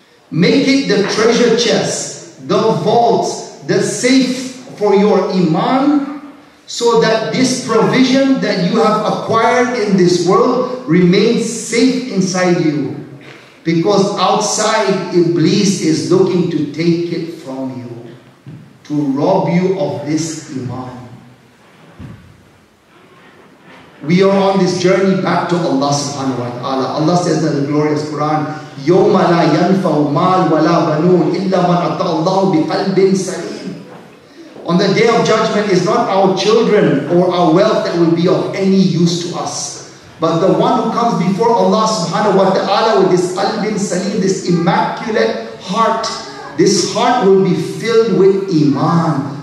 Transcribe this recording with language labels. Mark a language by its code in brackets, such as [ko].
[en] Make it the treasure chest, the vault, the safe for your iman, so that this provision that you have acquired in this world remains safe inside you. Because outside, Iblis is looking to take it from you, to rob you of this iman. We are on this journey back to Allah subhanahu wa ta'ala. Allah says in the glorious Quran, [ar] يَوْمَ لَا يَنْفَعُ مَالْ وَلَا بَنُونَ إِلَّا مَنْ أَتَى اللَّهُ بِقَلْبٍ سَلِيمٍ. [en] On the day of judgment, is not our children or our wealth that will be of any use to us, but the one who comes before Allah subhanahu wa ta'ala with this [ar] qalbin salim, [en] this immaculate heart, this heart will be filled with iman.